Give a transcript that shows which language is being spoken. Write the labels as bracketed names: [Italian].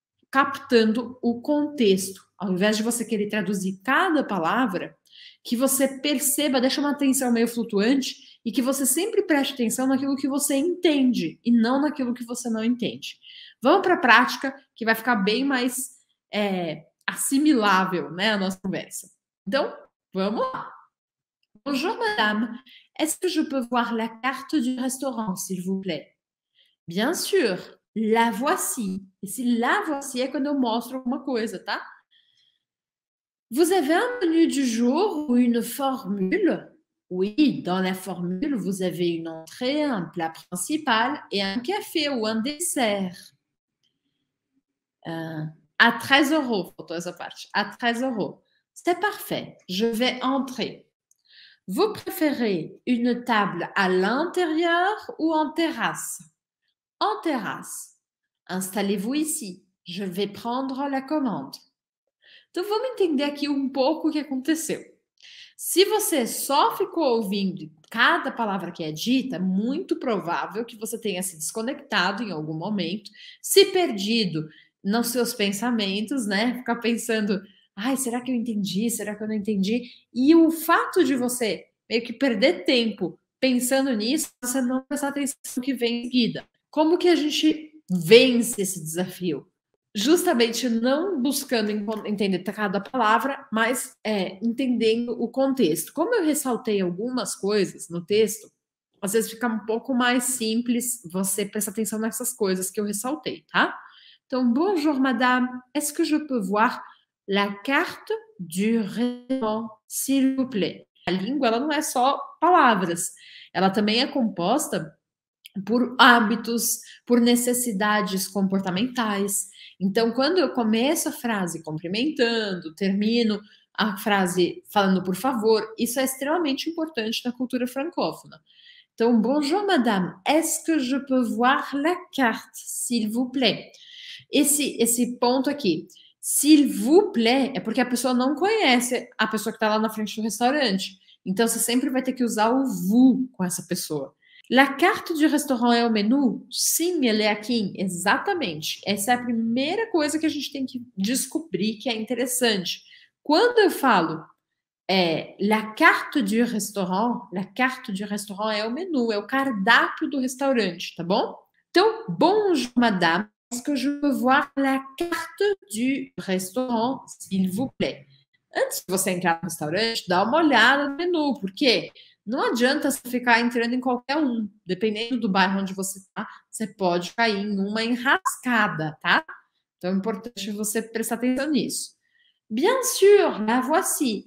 [Portuguese] Captando o contexto. Ao invés de você querer traduzir cada palavra, que você perceba, deixa uma atenção meio flutuante e que você sempre preste atenção naquilo que você entende e não naquilo que você não entende. Vamos para a prática, que vai ficar bem mais assimilável, né, a nossa conversa. Então, vamos lá. [French] Bonjour, madame. Est-ce que je peux voir la carte du restaurant, s'il vous plaît? Bien sûr. La voici. [Portuguese] Esse [French] la voici [Portuguese] é quando eu mostro alguma coisa, tá? [French] Vous avez un menu du jour ou une formule? Oui, dans la formule, vous avez une entrée, un plat principal et un café ou un dessert. À 13 euros, pour toi, ça part. À 13 euros. C'est parfait. Je vais entrer. Vous préférez une table à l'intérieur ou en terrasse? En terrasse. Installez-vous ici. Je vais prendre la commande. [Portuguese] Então, vamos entender aqui um pouco o que aconteceu. Se você só ficou ouvindo cada palavra que é dita, é muito provável que você tenha se desconectado em algum momento, se perdido nos seus pensamentos, né? Ficar pensando, ai, será que eu entendi? Será que eu não entendi? E o fato de você meio que perder tempo pensando nisso, você não prestar atenção no que vem em seguida. Como que a gente vence esse desafio? Justamente não buscando entender cada palavra, mas entendendo o contexto. Como eu ressaltei algumas coisas no texto, às vezes fica um pouco mais simples você prestar atenção nessas coisas que eu ressaltei, tá? Então, [French] bonjour, madame. Est-ce que je peux voir la carte du restaurant, s'il vous plaît? [Portuguese] A língua, ela não é só palavras. Ela também é composta por hábitos, por necessidades comportamentais. Então, quando eu começo a frase cumprimentando, termino a frase falando por favor, isso é extremamente importante na cultura francófona. Então, [French] bonjour, madame. Est-ce que je peux voir la carte, s'il vous plaît? [Portuguese] Esse ponto aqui, [French] s'il vous plaît, [Portuguese] é porque a pessoa não conhece a pessoa que está lá na frente do restaurante. Então, você sempre vai ter que usar o vous com essa pessoa. [French] La carte du restaurant [Portuguese] é o menu? Sim, ela é aqui. Exatamente. Essa é a primeira coisa que a gente tem que descobrir que é interessante. Quando eu falo [French] la carte du restaurant, [Portuguese] la carte du restaurant é o menu, é o cardápio do restaurante, tá bom? Então, [French] bonjour madame, est-ce que je peux voir la carte du restaurant, s'il vous plaît? [Portuguese] Antes de você entrar no restaurante, dá uma olhada no menu, por quê? Não adianta você ficar entrando em qualquer um. Dependendo do bairro onde você está, você pode cair em uma enrascada, tá? Então, é importante você prestar atenção nisso. [French] Bien sûr, la voici.